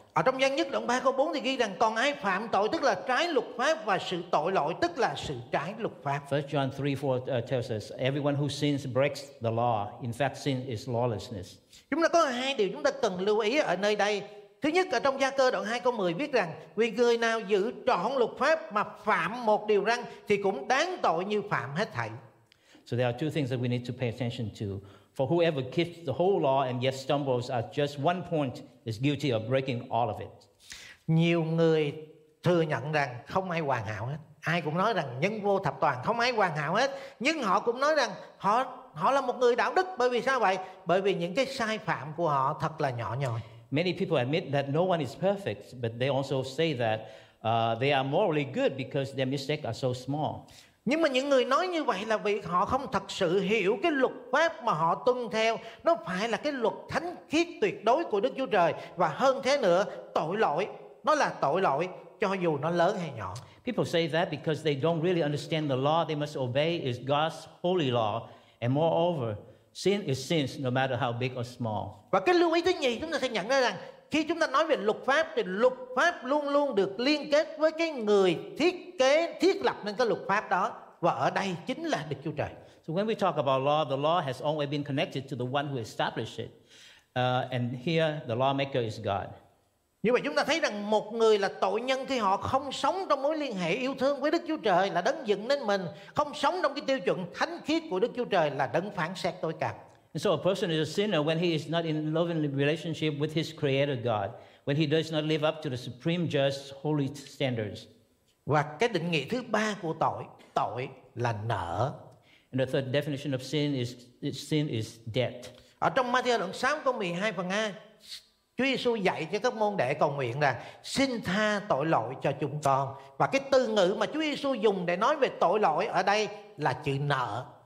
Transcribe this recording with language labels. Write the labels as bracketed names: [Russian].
[Vietnamese] Ở trong Giăng nhất đoạn 3 câu 4 thì ghi rằng còn ai phạm tội tức là trái luật pháp và sự tội lỗi tức là sự trái luật pháp. [English] 1 John 3:4 tells us everyone who sins breaks the law. In fact, sin is lawlessness. [Vietnamese] Chúng ta có hai điều chúng ta cần lưu ý ở nơi đây. Thứ nhất, ở trong Gia Cơ đoạn 2 câu 10 viết rằng vì người nào giữ trọn luật pháp mà phạm một điều răn thì cũng đáng tội như phạm hết thảy. [English] So there are two things that we need to pay attention to. For whoever keeps the whole law and yet stumbles at just one point is guilty of breaking all of it. [Vietnamese] Nhiều người thừa nhận rằng không ai hoàn hảo hết. Ai cũng nói rằng nhân vô thập toàn, không ai hoàn hảo hết. Nhưng họ cũng nói rằng họ là một người đạo đức. Bởi vì sao vậy? Bởi vì những cái sai phạm của họ thật là nhỏ nhoi. [English] Many people admit that no one is perfect, but they also say that they are morally good because their mistakes are so small. [Vietnamese] Nhưng mà những người nói như vậy là vì họ không thật sự hiểu cái luật pháp mà họ tuân theo. Nó phải là cái luật thánh khiết tuyệt đối của Đức Chúa Trời. Và hơn thế nữa, tội lỗi, nó là tội lỗi cho dù nó lớn hay nhỏ. [English] People say that because they don't really understand the law they must obey is God's holy law. And moreover, sin is sin no matter how big or small. [Vietnamese] Và cái lưu ý thứ nhì chúng ta sẽ nhận ra rằng khi chúng ta nói về luật pháp thì luật pháp luôn luôn được liên kết với cái người thiết kế, thiết lập nên cái luật pháp đó, và ở đây chính là Đức Chúa Trời. [English] So when we talk about law, the law has always been connected to the one who established it. And here the lawmaker is God. [Vietnamese] Như vậy chúng ta thấy rằng một người là tội nhân khi họ không sống trong mối liên hệ yêu thương với Đức Chúa Trời là đấng dựng nên mình, không sống trong cái tiêu chuẩn thánh khiết của Đức Chúa Trời là đấng phán xét tối cao. [English] And so a person is a sinner when he is not in loving relationship with his creator God, when he does not live up to the supreme just holy standards. [Vietnamese] Và cái định nghĩa thứ ba của tội, tội là nợ. [English] And the third definition of sin is debt. [Vietnamese] Ở trong Ma-thi-ơ đoạn 6 câu 12 phần A, Chúa Giê-xu dạy cho các môn đệ cầu nguyện rằng xin tha tội lỗi cho chúng con. Và cái từ ngữ mà Chúa Giê-xu dùng để nói về tội lỗi ở đây là chữ nợ.